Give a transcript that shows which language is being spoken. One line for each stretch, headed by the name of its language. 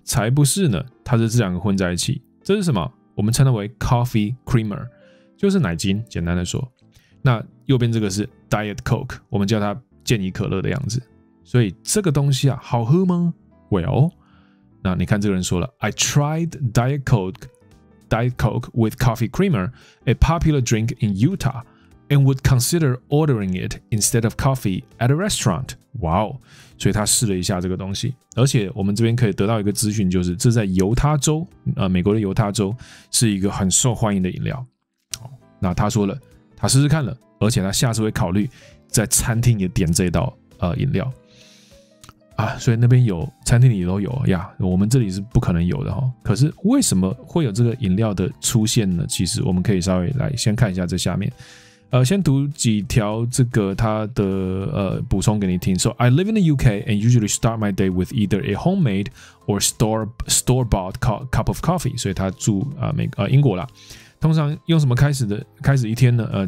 Chinese: 才不是呢，它是这两个混在一起。这是什么？我们称它为 coffee creamer， 就是奶精，简单的说。那右边这个是 diet coke， 我们叫它健怡可乐的样子。所以这个东西啊，好喝吗？
English: Well，
Chinese: 那你看这个人说了，
English: I tried diet coke with coffee creamer， a popular drink in Utah，and would consider ordering it instead of coffee at a restaurant.
Chinese: Wow, 所以他试了一下这个东西。而且我们这边可以得到一个资讯，就是这在犹他州、美国的犹他州是一个很受欢迎的饮料。那他说了，他试试看了，而且他下次会考虑在餐厅也点这道、饮料。所以那边有，餐厅里都有呀，我们这里是不可能有的。可是为什么会有这个饮料的出现呢？其实我们可以稍微来先看一下这下面。先读几条这个他的补充给你听。
English: So I live in the UK and usually start my day with either a homemade or store-bought cup of coffee.
Chinese: 所以他住英国啦。通常用什么开始一天呢？